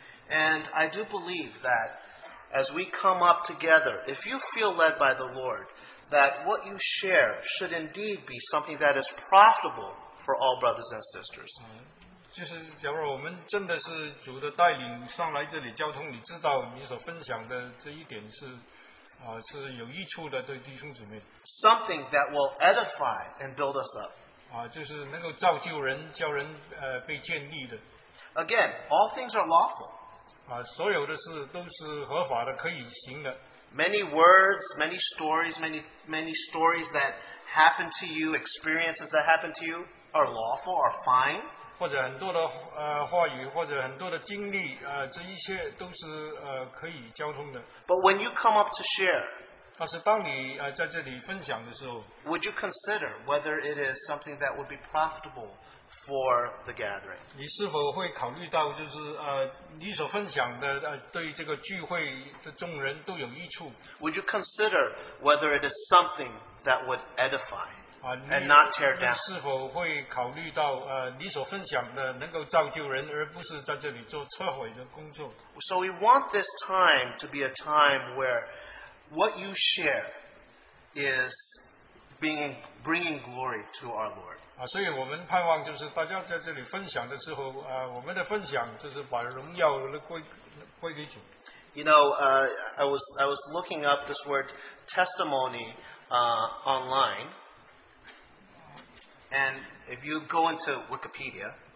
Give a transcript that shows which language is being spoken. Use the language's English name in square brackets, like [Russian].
[English] And I do believe that as we come up together, if you feel led by the Lord,that what you share should indeed be something that is profitable for all brothers and sisters. [Chinese] 就是假如我们真的是主的带领上来这里交通，你知道你所分享的这一点是有益处的，对弟兄姊妹。 [English] Something that will edify and build us up. [Chinese] 就是能够造就人，叫人被建立的。 [English] Again, all things are lawful. [Chinese] 所有的事都是合法的，可以行的。 [English] Many words, many stories, many stories that happen to you, experiences that happen to you are lawful, are fine. [Chinese] 或者很多的话语，或者很多的经历，这一切都是可以交通的。 [English] But when you come up to share, [Chinese] 但是当你在这里分享的时候， [English] would you consider whether it is something that would be profitable for the gathering? [Chinese] 你是否会考虑到就是你所分享的对这个聚会的众人都有益处？ [English] Would you consider whether it is something that would edify? and not tear down. [Chinese] 是否会考虑到, 你所分享的能够造就人, 而不是在这里做摧毁的工作。 [English] So we want this time to be a time where what you share is bringing glory to our Lord. [Chinese] 所以我们盼望就是大家在这里分享的时候, 我们的分享就是把荣耀归给主。 [English] You know, I was looking up this word testimony online, and if you go into Wikipedia,